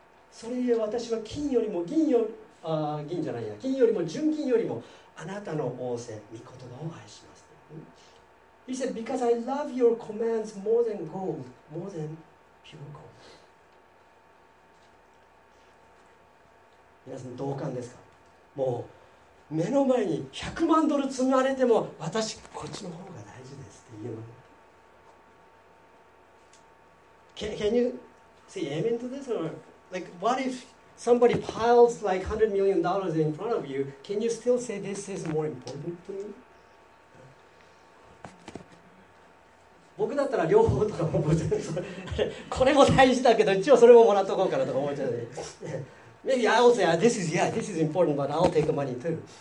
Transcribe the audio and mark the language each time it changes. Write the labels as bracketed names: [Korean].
[Japanese] それゆえ私は金よりも銀よ、銀じゃないや、金よりも純金よりもあなたの仰せ、御言葉を愛します。 [English] He said, because I love your commands more than gold, more than pure gold. [Japanese] 皆さん同感ですか？もう目の前に100万ドル積まれても私こっちの方が大事ですって言うの。 [English] Can you say amen to this? Or like, what if somebody piles like $100 million in front of you? Can you still say this is more important to me? [Japanese] 僕だったら両方とかも全然これも大事だけど一応それももらっとこうかなとか思っちゃうね。 [English] Maybe I will say, this is, yeah, this is important, but I'll take money too.